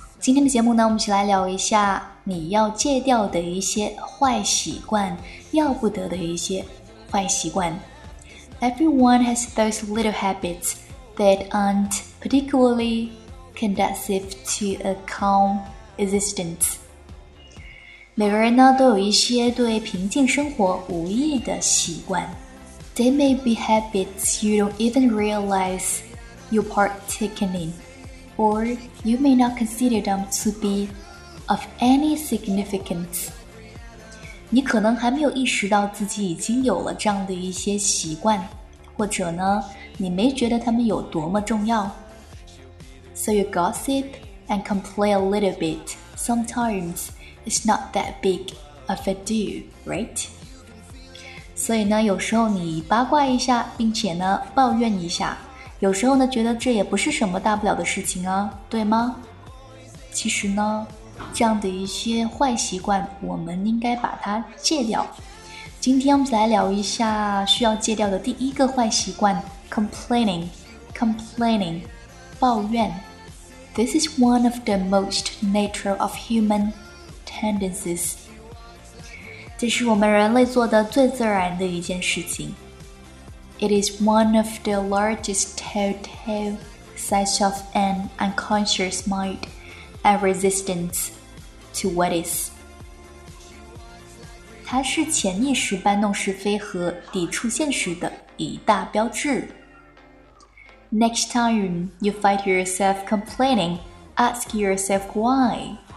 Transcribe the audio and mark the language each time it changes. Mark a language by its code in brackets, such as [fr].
[zh] 今天的节目呢，我们一起来聊一下你要戒掉的一些坏习惯，要不得的一些坏习惯。 [en] Everyone has those little habits that aren't particularly conducive to a calm existence. [zh] 每个人呢都有一些对平静生活无益的习惯。 [en] They may be habits you don't even realize you're partaking, or you may not consider them to be of any significance. [zh] 你可能还没有意识到自己已经有了这样的一些习惯，或者呢，你没觉得他们有多么重要。 [en] So you gossip and complain a little bit sometimes. It's not that big of a deal, right? [zh] 所以呢，有时候你八卦一下，并且呢抱怨一下，有时候呢觉得这也不是什么大不了的事情啊，对吗？其实呢，这样的一些坏习惯，我们应该把它戒掉。今天我们来聊一下需要戒掉的第一个坏习惯 ，complaining， 抱怨。 [en] This is one of the most natural of human. Tendencies. [zh] 这是我们人类做的最自然的一件事情。 [en] It is one of the largest telltale signs of an unconscious mind and resistance to what is. [zh] 它是潜意识搬弄是非和抵触现实的一大标志。 [en] Next time you find yourself complaining, ask yourself why.